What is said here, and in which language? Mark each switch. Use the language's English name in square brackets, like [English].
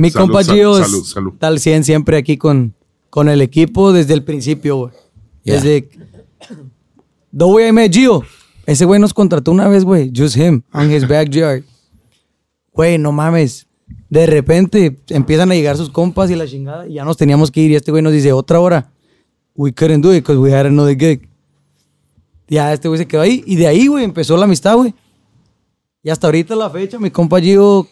[Spanish] Mi compa Gio es tal 100 siempre aquí con el equipo desde el principio, güey. Yeah. Desde... [English] The way I met Gio. [Spanish] Ese güey nos contrató una vez, güey. [English] Just him. On his backyard. [Spanish] Güey, no mames. De repente empiezan a llegar sus compas y la chingada. Y ya nos teníamos que ir. Y este güey nos dice, otra hora. [English] We couldn't do it because we had another gig. [Spanish] Ya este güey se quedó ahí. Y de ahí, güey, empezó la amistad, güey. Y hasta ahorita la fecha, mi compa Gio...